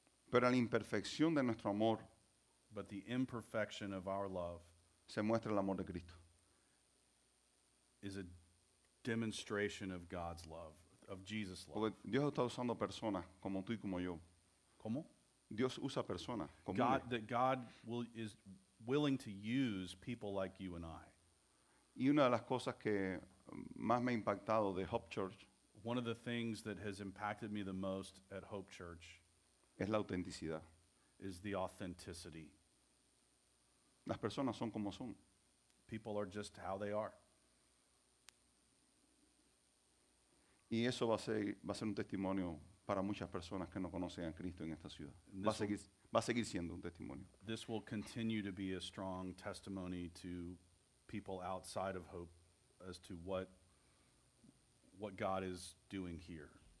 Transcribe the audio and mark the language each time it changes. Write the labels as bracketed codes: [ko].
[es] Pero la imperfección de nuestro amor. [en] But the imperfection of our love. [es] Se muestra el amor de Cristo. [en] Is a demonstration of God's love, of Jesus' love. [es] Porque Dios está usando personas como tú y como yo. ¿Cómo? Dios usa personas como yo. [en] God is willing to use people like you and I. [es] Y una de las cosas que más me ha impactado de Hope Church. [en] One of the things that has impacted me the most at Hope Church. [es] Es la autenticidad. [en] Is the authenticity. [es] Las personas son como son. [en] People are just how they are. [es] Y eso va a ser un testimonio para muchas personas que no conocen a Cristo en esta ciudad. Va a seguir siendo un testimonio. [en] This will continue to be a strong testimony to people outside of Hope as to what God is doing here.